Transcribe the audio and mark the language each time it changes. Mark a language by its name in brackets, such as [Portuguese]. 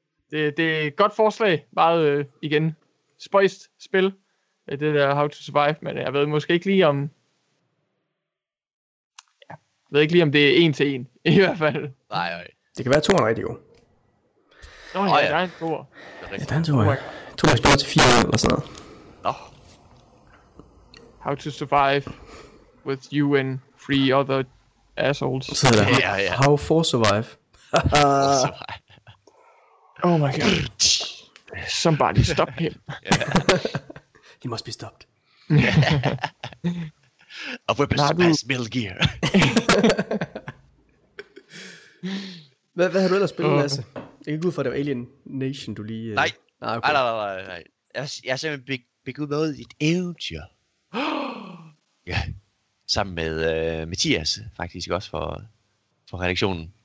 [Danish] Det er et godt forslag, meget igen spøjst spil, det der How to Survive, men jeg ved måske ikke lige om, jeg ved ikke lige om det er en til en, i hvert fald. Nej, nej. Det kan være toren rigtig god. Nå, ja, der er en tor. Ja, der er en tor. Tor er spørget til 4 eller sådan noget. Nå. [English] How to Survive with you and 3 other assholes. [Danish] Så er det der. How for Survive. [English] Oh my god. Somebody stop him. He must be stopped. A whippersnapper has Metal Gear. [Danish] Hvad har du ellers spillet, Lasse? Jeg kan ikke ud fra, at det var Alien Nation, du lige... Nej. Nej, okay. Nej. Jeg har simpelthen begyndt noget i et eventyr. Ja. Sammen med Mathias, faktisk også for redaktionen.